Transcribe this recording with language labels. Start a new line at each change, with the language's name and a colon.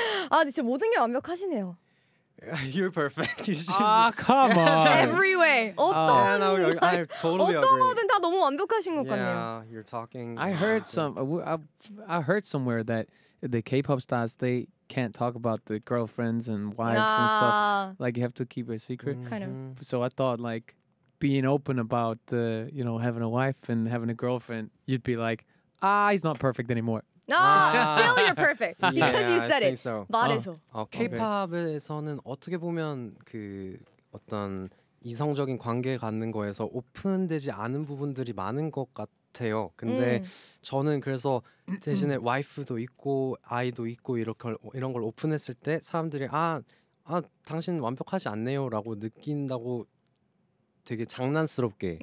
Korean: 아, 근데 진짜 모든 게 완벽하시네요.
English: You're perfect. come on. Every way.
Korean: 어떤 거든 다 너무 완벽하신 것 같네요.
English: Yeah, you're talking. I heard somewhere that the K-pop stars, they can't talk about the girlfriends and wives and stuff. Like you have to keep it a secret. Kind of. So I thought like being open about you know, having a wife and having a girlfriend, you'd be like, he's not perfect anymore. Still you're perfect because yeah, you said I think it. So.
Korean: 말해서. K-pop에서는 어떻게 보면 그 어떤 이성적인 관계 갖는 거에서 오픈되지 않은 부분들이 많은 것 같아요. 근데 저는 그래서 대신에 와이프도 있고 아이도 있고 이런 걸 오픈했을 때 사람들이 당신 완벽하지 않네요라고 느낀다고 되게 장난스럽게